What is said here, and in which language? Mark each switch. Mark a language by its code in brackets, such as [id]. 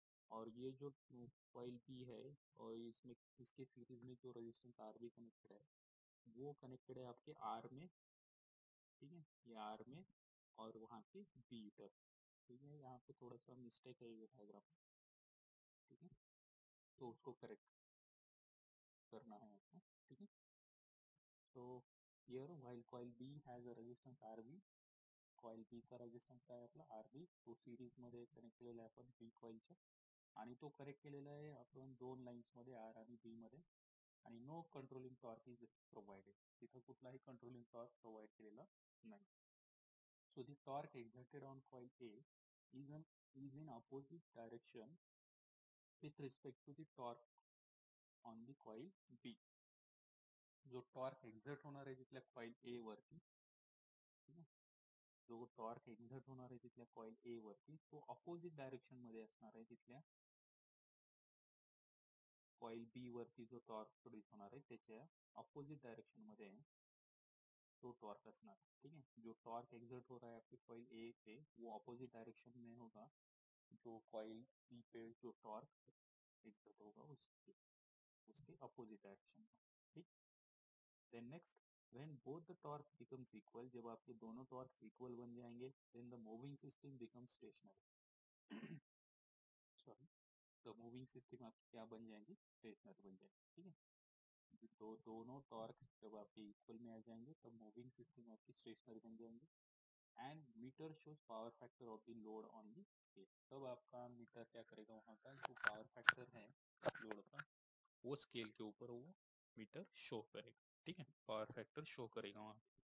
[hi] और ये जो कॉइल बी है और इसमें इसके सीरीज में जो रेजिस्टेंस आर भी कनेक्टेड है वो कनेक्टेड है आपके आर में, ठीक है, ये आर में और वहाँ के बी पर, ठीक है, यहाँ पे थोड़ा सा मिस्टेक है ये डायग्राम में, ठीक है, तो उसको करेक्ट करना है आपको, ठीक है. [en] तो here while coil B has a resistance R B, [mr] coil बी का रेजिस्टेंस काय आपला आर बी, तो सीरीज मध्ये कनेक्ट केलेला आहे आपण बी कॉइलच्या आणि तो करेक्ट केलेला आहे आपण दोन लाईन्स मध्ये आर आणि बी मध्ये, आणि [en] no controlling torque is provided, [mr] तिथं कुठलाही कंट्रोलिंग टॉर्क प्रोव्हाइड केलेला नाही. [en] So the torque exerted on coil A is in opposite direction with respect to the torque on the coil B. [mr] जो टॉर्क एक्झर्ट होणार आहे तिथल्या कॉइल ए वरती, ठीक आहे, जो टॉर्क एक्झर्ट होणार आहे तिथल्या कॉइल ए वरती तो अपोजिट डायरेक्शन मध्ये असणार आहे तिथल्या कॉइल बी वरती, [hi] जो टॉर्क प्रोड्यूस होणार आहे त्याच्या अपोजिट डायरेक्शन मध्ये तो टॉर्क असणार, ठीक आहे, जो टॉर्क एक्झर्ट हो रहा है आपके कॉइल ए पे वो अपोजिट डायरेक्शन में होगा जो कॉइल बी पे जो टॉर्क एग्जर्ट होगा उसके उसके अपोजिट डायरेक्शन में, ठीक. [en] then next, when both the torque becomes equal, [hi] जब आपके दोनों टॉर्क इक्वल बन जाएंगे [en] then the moving system become stationary, sorry the moving system [hi] आपकी क्या बन जाएंगी, स्टेशनरी बन जाएगी, ठीक है, तो दोनों टॉर्क जब आपके इक्वल में आ जाएंगे तब मूविंग सिस्टम आपकी स्टेशनरी बन जाएंगे [en] and meter shows power factor of the load on the scale, [hi] तब आपका मीटर क्या करेगा वहां का जो पावर फैक्टर है लोड का वो स्केल के ऊपर वो मीटर शो करेगा, ठीक है, पावर फैक्टर शो करेगा वहां.